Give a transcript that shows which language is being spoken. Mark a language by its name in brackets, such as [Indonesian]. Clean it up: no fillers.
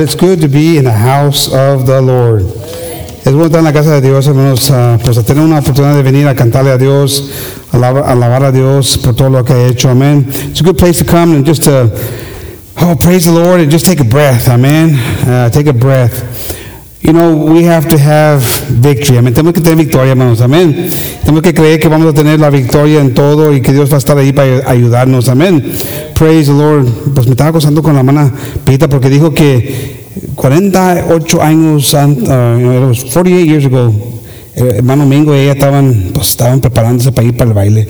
[English] It's good to be in the house of the Lord. [Spanish] Es bueno estar en la casa de Dios, hermanos, pues a tener una oportunidad de venir a cantarle a Dios, alabar a Dios por todo lo que ha hecho, amen. [English] It's a good place to come and just to, praise the Lord and just take a breath, amen. Take a breath. You know, we have to have victory, amen. [Spanish] Tenemos que tener victoria, hermanos, amen. Tenemos que creer que vamos a tener la victoria en todo y que Dios va a estar ahí para ayudarnos, amen. Praise the Lord. Pues me estaba gozando con la hermana Pita porque dijo que 48 años, it was 48 years ago, hermano Mingo y ella estaban preparándose para ir para el baile.